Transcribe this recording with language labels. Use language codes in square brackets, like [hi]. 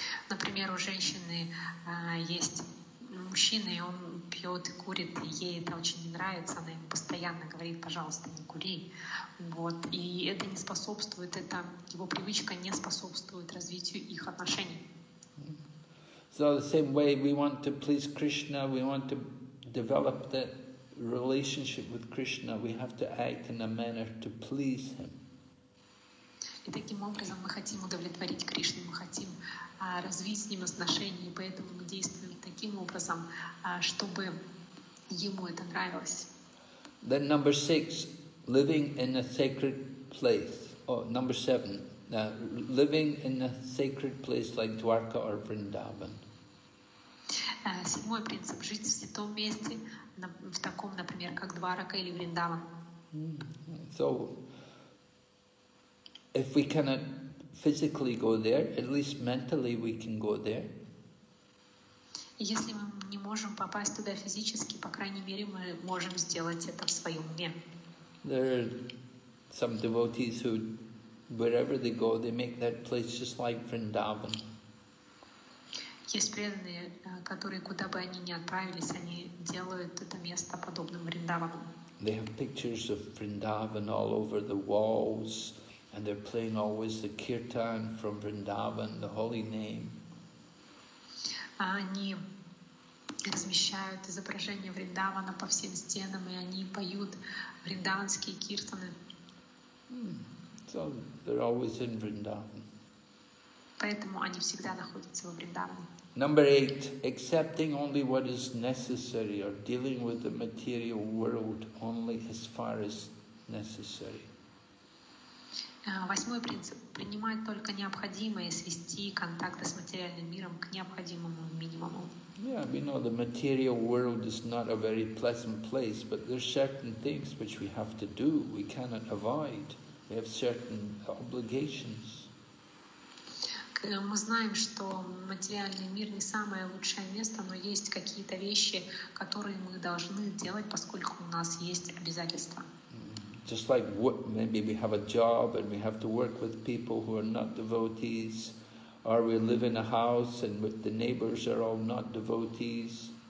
[ru] Например, у женщины есть мужчина, и он пьет и курит, и ей это очень не нравится, она ему постоянно говорит, пожалуйста, не кури. Вот. И это не способствует, это его привычка не способствует развитию их отношений. [en] So the same way we want to please Krishna, we want to develop that relationship with Krishna, we have to act in a manner to please him. [ru] И таким образом мы хотим удовлетворить Кришну, мы хотим развить с ним отношения, и поэтому мы действуем таким образом, чтобы ему это нравилось. [en] Then number six, living in a sacred place. Oh, number seven, living in a sacred place like Dwarka or Vrindavan. [ru] Седьмой принцип, жить в святом месте, в таком, например, как Дварака или Вриндаван. [en] So, if we cannot physically go there, at least mentally we can go there. [ru] Если мы не можем попасть туда физически, по крайней мере, мы можем сделать это в своем уме. [en] There are some devotees who, wherever they go, they make that place just like Vrindavan. [ru] Есть преданные, которые куда бы они ни отправились, они делают это место подобным Вриндавану. [en] They have pictures of Vrindavan all over the walls, and they're playing always the kirtan from Vrindavan, the holy name. [ru] Они размещают изображения Вриндавана по всем стенам, и они поют вриндаванские киртаны. [en] So they're always in Vrindavan. [ru] Поэтому они всегда находятся во Вриндаване. [en] Number 8, accepting only what is necessary or dealing with the material world only as far as necessary. [ru] Восьмой принцип. Принимать только необходимое, свести контакты с материальным миром к необходимому минимуму. [en] Yeah, we know the material world is not a very pleasant place, but there are certain things which we have to do. We cannot avoid. We have certain obligations. [ru] Мы знаем, что материальный мир не самое лучшее место, но есть какие-то вещи, которые мы должны делать, поскольку у нас есть обязательства. [en] Just like what, maybe we have a job and we have to work with people who are not devotees, or we live in a house and with the neighbors are all not devotees.